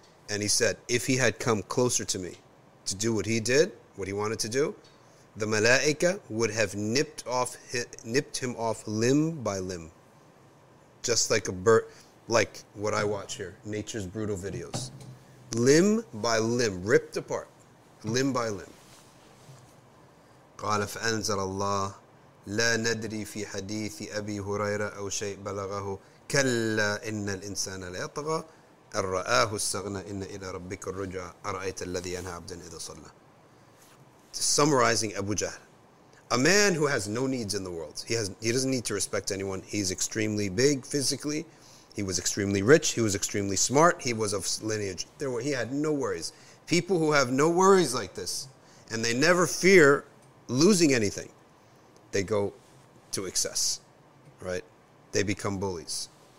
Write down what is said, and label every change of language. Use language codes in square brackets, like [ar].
[en] And he said, "If he had come closer to me to do what he did, what he wanted to do, the malaika would have nipped him off limb by limb, just like a bird, like what I watch here, nature's brutal videos, limb by limb, ripped apart, limb by limb." [ar] قال فأنزل الله لا ندري في حديث أبي هريرة أو شيء بلغه كلا إن الإنسان لا يطغى الرآه السغنى إن إلى ربك الرجع أرأيت الذي ينهى عبدا إذا صلى. [en] To summarizing Abu Jahl, a man who has no needs in the world. He doesn't need to respect anyone. He's extremely big physically. He was extremely rich. He was extremely smart. He was of lineage. He had no worries. People who have no worries like this, and they never fear losing anything, they go to excess, right? They become bullies.